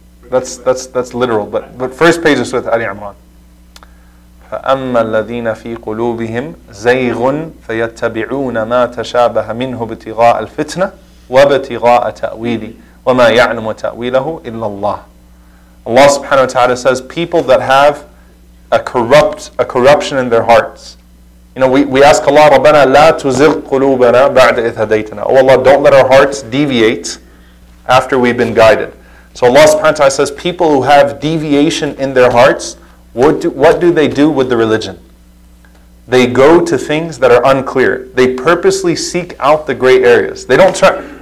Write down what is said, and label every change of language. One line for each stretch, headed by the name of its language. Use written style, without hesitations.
English: That's literal, but first page is with Ali Imran.
Arabic: فَأَمَّا الَّذِينَ فِي قُلُوبِهِمْ زَيْغٌ فَيَتَّبِعُونَ مَا تَشَابَهَ مِنْهُ بِتِغَاءَ الْفِتْنَةِ وَبِتِغَاءَ تَأْوِيلِ وَمَا يَعْلُمُ تَأْوِيلَهُ إِلَّا اللَّهِ.
English: Allah subhanahu wa ta'ala says, people that have a corruption in their hearts. You know, we ask Allah,
Arabic: رَبَّنَا لَا تُزِغْ قُلُوبَنَا بَعْدَ إِذْ هَدَيْتَنَا.
English: Oh Allah, don't let our hearts deviate after we've been guided. So Allah subhanahu wa ta'ala says, people who have deviation in their hearts, what do they do with the religion? They go to things that are unclear. They purposely seek out the gray areas. They don't try.